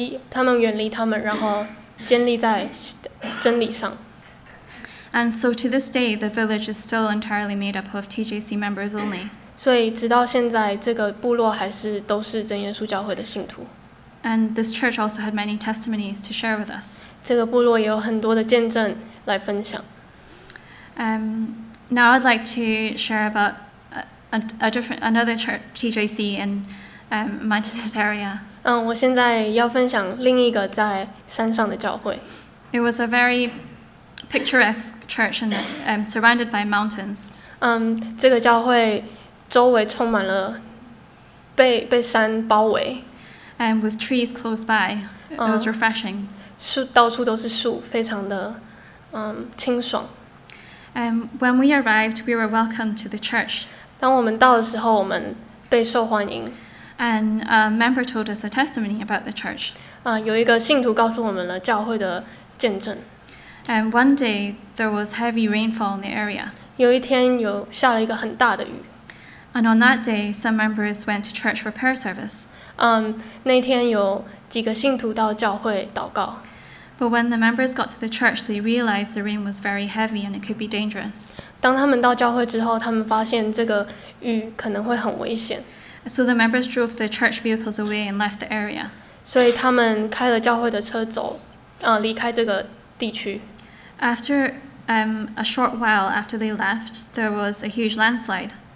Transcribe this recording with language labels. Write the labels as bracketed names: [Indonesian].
[Chinese] 他们远离他们，然后建立在真理上。 [English] And so to this day, the village is still entirely made up of TJC members only. [Chinese] 所以直到现在，这个部落还是都是真耶稣教会的信徒。 [English] And this church also had many testimonies to share with us. [Chinese] 这个部落也有很多的见证来分享。 [English] Now I'd like to share about another church, TJC in mountainous area. [Chinese] 我现在要分享另一个在山上的教会。 [English] It was a very picturesque church and surrounded by mountains. [Chinese] 这个教会周围充满了被山包围。 [English] And with trees close by, it was refreshing. [Chinese] 树到处都是树，非常的清爽。 [English] When we arrived, we were welcomed to the church. [Chinese] 当我们到的时候，我们被受欢迎。 [English] And a member told us a testimony about the church. [Chinese] 有一个信徒告诉我们了教会的见证。 [English] And one day there was heavy rainfall in the area. [Chinese] 有一天有下了一个很大的雨。 [English] And on that day, some members went to church for prayer service. [Chinese] 那天有几个信徒到教会祷告。 [English] But when the members got to the church, they realized the rain was very heavy and it could be dangerous. [Chinese] 当他们到教会之后，他们发现这个雨可能会很危险。 [English] So the members drove the church vehicles away and left the area. [Chinese] 所以他们开了教会的车走，离开这个地区。 [English] After a short while after they left, there was a huge landslide.